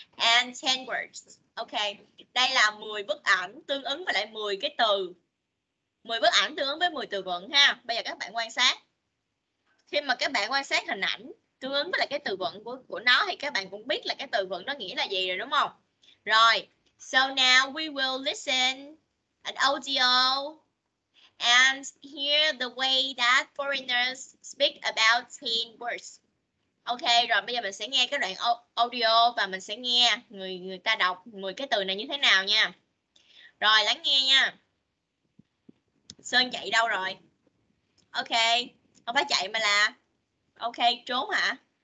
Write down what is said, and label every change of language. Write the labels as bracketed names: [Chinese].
[English] And 10 words. Ok. [Vietnamese] Đây là 10 bức ảnh tương ứng với lại 10 cái từ. 10 bức ảnh tương ứng với 10 từ vựng ha. Bây giờ các bạn quan sát. Khi mà các bạn quan sát hình ảnh tương ứng với lại cái từ vựng của nó thì các bạn cũng biết là cái từ vựng nó nghĩa là gì rồi đúng không? Rồi. [English] So now we will listen an audio and hear the way that foreigners speak about 10 words. [Vietnamese] Ok, rồi bây giờ mình sẽ nghe cái đoạn audio và mình sẽ nghe người ta đọc 10 cái từ này như thế nào nha. Rồi, lắng nghe nha. Sơn chạy đâu rồi? Ok, không phải chạy mà là... Ok, trốn hả?